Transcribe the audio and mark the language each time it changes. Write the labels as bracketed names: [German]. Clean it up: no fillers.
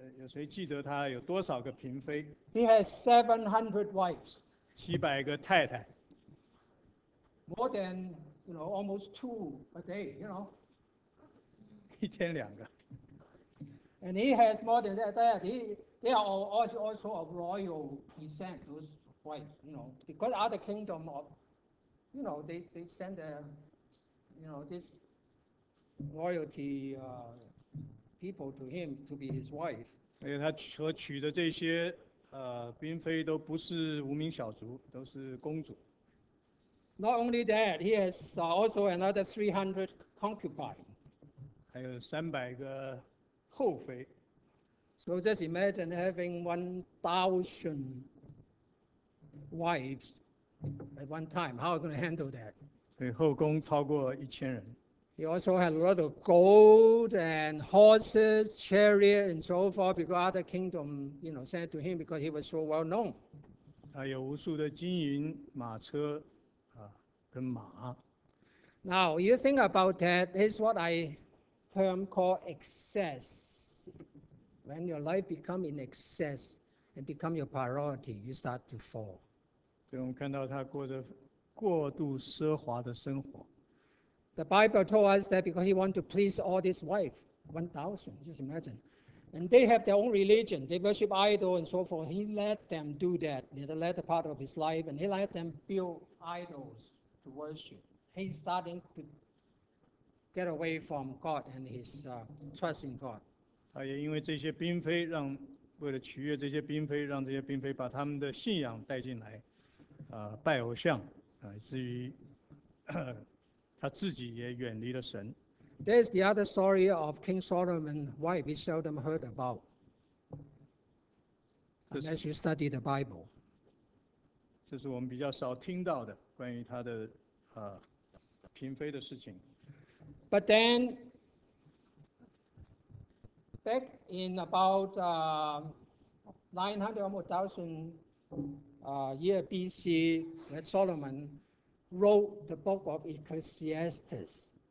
[Chinese] 有谁记得他有多少个嫔妃 [English] ？He has 700 wives. [Chinese] 七百个太太。 [English] More than you know, almost two a day. You know. [Chinese] 一天两个。 [English] And he has more than that. They are also of royal descent. Those wives, you know, because other kingdom of, you know, they send the, you know, this royalty. People to him to be his wife. [Chinese] 而且他所娶的这些嫔妃都不是无名小卒，都是公主。 [English] Not only that, he has also another 300 concubines. [Chinese] 还有三百个后妃。 [English] So just imagine having 1,000 wives at one time. How are you going to handle that? [Chinese] 所以后宫超过1,000人。 [English] He also had a lot of gold and horses, chariot, and so forth, because other kingdom, you know, sent to him because he was so well known. [Chinese] 他有无数的金银、马车，跟马。 [English] Now you think about that. This is what I term call excess. When your life become in excess and become your priority, you start to fall. [Chinese] 所以我们看到他过着过度奢华的生活。 [English] The Bible told us that because he wanted to please all his wife, 1,000, just imagine. And they have their own religion, they worship idol and so forth. He let them do that in the latter part of his life, and he let them build idols to worship. He's starting to get away from God and his trust in God. [Chinese] 他也因为这些嫔妃让，为了取悦这些嫔妃，让这些嫔妃把他们的信仰带进来，拜偶像，以至于他自己也远离了神。 [English] There's the other story of King Solomon's wife we seldom heard about, unless you study the Bible. [Chinese] 这是我们比较少听到的关于他的嫔妃的事情。 [English] But then, back in about 900 or 1,000 year BC, when Solomon wrote the book of Ecclesiastes.